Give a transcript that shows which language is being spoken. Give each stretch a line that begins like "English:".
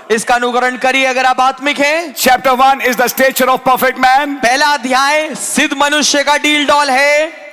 Hindi: इसका अनुकरण करिए अगर आप आत्मिक हैं.
English: Chapter 1 is the stature of perfect man.
Hindi: पहला अध्याय सिद्ध मनुष्य का डील डॉल है.